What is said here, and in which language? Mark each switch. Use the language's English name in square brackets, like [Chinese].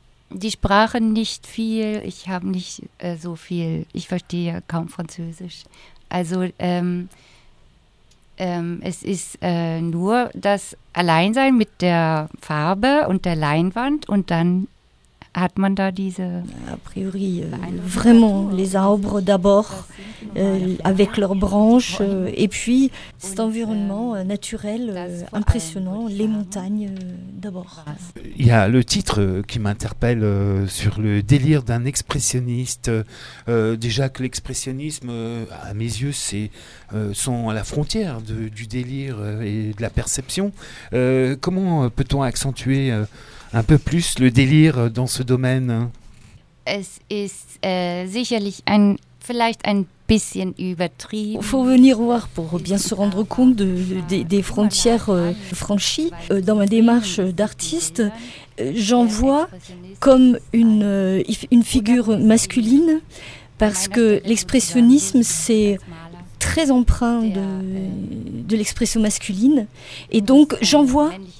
[German] Die Sprache nicht viel, ich habe nicht so viel, ich verstehe kaum Französisch. Also es ist nur das Alleinsein mit der Farbe und der Leinwand und dann hat man da diese... [French] A priori, vraiment, les arbres d'abord, avec leurs branches, et puis cet environnement naturel, impressionnant, les montagnes d'abord. Il y a le titre qui m'interpelle sur le délire d'un expressionniste. Déjà que l'expressionnisme, à mes yeux, c'est sont à la frontière du délire et de la perception. Comment peut-on accentuer un peu plus le délire dans ce domaine? [German] Es ist sicherlich ein vielleicht ein bisschen übertrieben. [French] Faut venir voir pour bien se rendre compte des frontières franchies dans ma démarche d'artiste. J'en vois comme une figure masculine parce que l'expressionnisme c'est très empreint de l'expression masculine et donc j'en vois